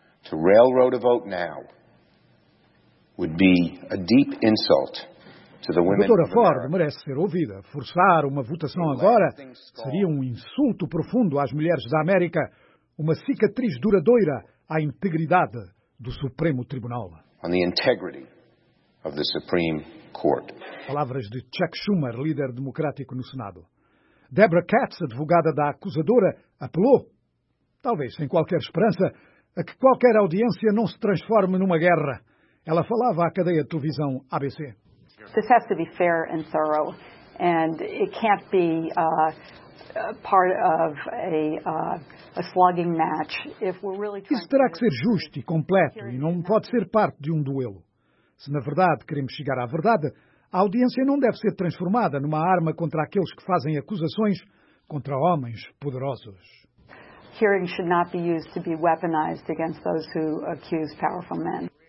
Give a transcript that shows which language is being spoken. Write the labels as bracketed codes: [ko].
[en] To railroad a vote now would be a deep insult. [pt] A doutora Ford merece ser ouvida. Forçar uma votação agora seria um insulto profundo às mulheres da América, uma cicatriz duradoura à integridade do Supremo Tribunal. Palavras de Chuck Schumer, líder democrático no Senado. Deborah Katz, advogada da acusadora, apelou, talvez sem qualquer esperança, a que qualquer audiência não se transforme numa guerra. Ela falava à cadeia de televisão ABC. [en] This has to be fair and thorough, and it can't be part of a slugging match. If we're really trying [pt] Isso terá que ser justo e completo, e não pode ser parte de um duelo. Se na verdade queremos chegar à verdade, a audiência não deve ser transformada numa arma contra aqueles que fazem acusações contra homens poderosos. [en] Hearing should not be used to be weaponized against those who accuse powerful men.